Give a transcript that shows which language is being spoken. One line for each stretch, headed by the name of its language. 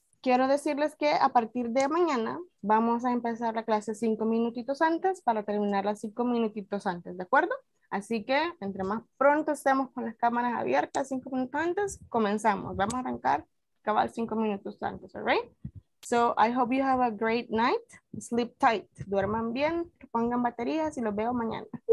Spanish: Quiero decirles que a partir de mañana vamos a empezar la clase 5 minutitos antes para terminarla 5 minutitos antes, ¿de acuerdo? Así que, entre más pronto estemos con las cámaras abiertas 5 minutos antes, comenzamos. Vamos a arrancar cabal 5 minutos antes,
English: all right? So, I hope you have a great night. Sleep tight.
Spanish: Duerman bien, pongan baterías y los veo mañana.